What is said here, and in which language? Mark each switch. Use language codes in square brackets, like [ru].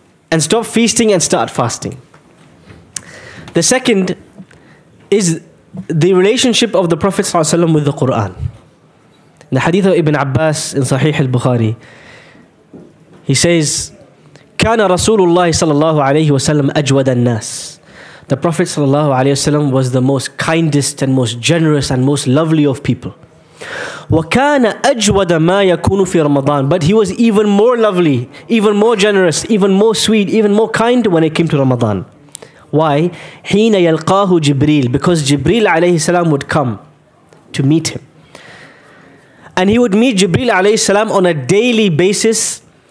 [en] And stop feasting and start fasting. The second is the relationship of the Prophet ﷺ with the Quran. In the hadith of Ibn Abbas in Sahih al-Bukhari, he says, [ar] كان رسول الله صلى الله عليه وسلم أجود الناس. [en] The Prophet [ar] صلى الله عليه وسلم [en] was the most kindest and most generous and most lovely of people. [ar] وكان أجود ما يكون في رمضان. [en] But he was even more lovely, even more generous, even more sweet, even more kind when it came to Ramadan. Why? [ar] حين يلقاه جبريل. [en] Because جبريل [ar] عليه السلام [en] would come to meet him. And he would meet جبريل [ar] عليه السلام [en] on a daily basis.